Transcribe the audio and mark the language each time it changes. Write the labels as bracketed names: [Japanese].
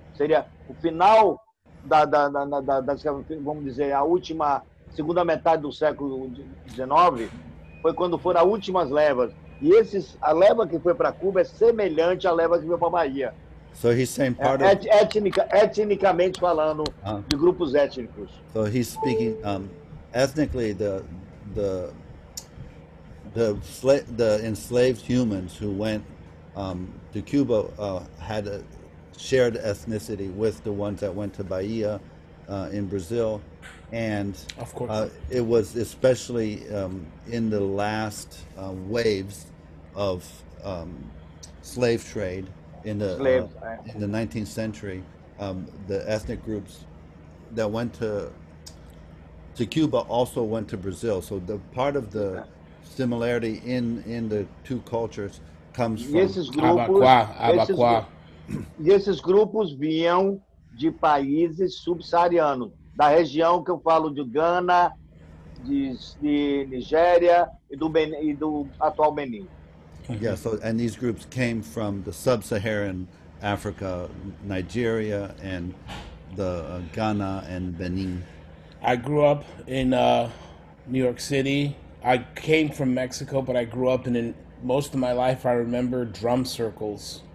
[Portuguese] Seria o final da vamos dizer, a última, segunda metade do século XIX, foi quando foram as últimas levas. E esses, a leva que foi para Cuba é semelhante à leva que veio para Bahia. [English] So he's saying part of... [Portuguese] Etnicamente falando, de grupos étnicos. [English] So he's speaking ethnically, the enslaved humans who went to Cuba had a shared ethnicity with the ones that went to Bahia in Brazil. And of course, it was especially in the last waves of slave trade in the 19th century. The ethnic groups that went to Cuba also went to Brazil. So the part of the similarity in the two cultures comes from Abacuá. [Portuguese] E esses grupos vinham de países subsaarianos, da região que eu falo de Gana, de Nigéria e do atual Benin. [English] Yeah, so and these groups came from the sub-Saharan Africa, Nigeria and the Ghana and Benin. I grew up in New York City. I came from Mexico, but I grew up in most of my life I remember drum circles.